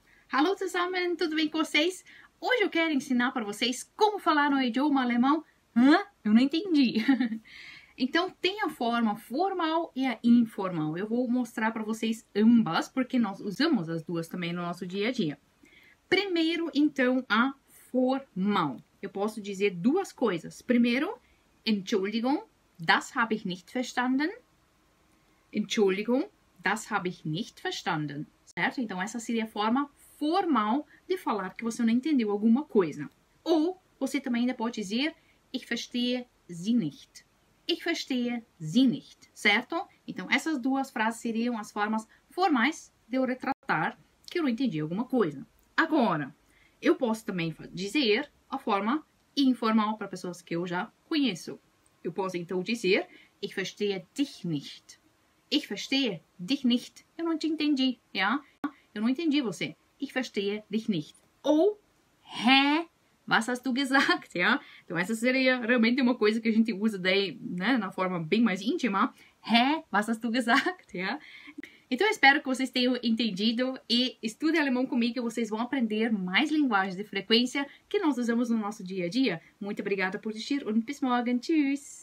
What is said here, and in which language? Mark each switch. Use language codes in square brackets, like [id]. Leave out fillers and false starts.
[pt] Alô, zusammen, tudo bem com vocês? Hoje eu quero ensinar para vocês como falar no idioma alemão. Hã? Eu não entendi. Então, tem a forma formal e a informal. Eu vou mostrar para vocês ambas, porque nós usamos as duas também no nosso dia a dia. Primeiro, então, a formal. Eu posso dizer duas coisas. [de] Primeiro, Entschuldigung, das habe ich nicht verstanden. Entschuldigung, das habe ich nicht verstanden. [pt] Certo? Então, essa seria a forma formal de falar que você não entendeu alguma coisa. Ou você também ainda pode dizer, [de] ich verstehe Sie nicht. Ich verstehe Sie nicht, [pt] certo? Então, essas duas frases seriam as formas formais de eu retratar que eu não entendi alguma coisa. Agora, eu posso também dizer a forma informal para pessoas que eu já conheço. Eu posso então dizer, [de] ich verstehe dich nicht. Ich verstehe dich nicht. [pt] Eu não te entendi, já? Eu não entendi você. [de] Ich verstehe dich nicht. Ou, hä? Was hast du gesagt? Ja? [pt] Então, essa seria realmente uma coisa que a gente usa daí, né, na forma bem mais íntima. Hä? [de] Was hast du gesagt? Ja? [pt] Então, eu espero que vocês tenham entendido e estudem alemão comigo e vocês vão aprender mais linguagens de frequência que nós usamos no nosso dia a dia. Muito obrigada por assistir. [de] Und bis morgen. Tschüss!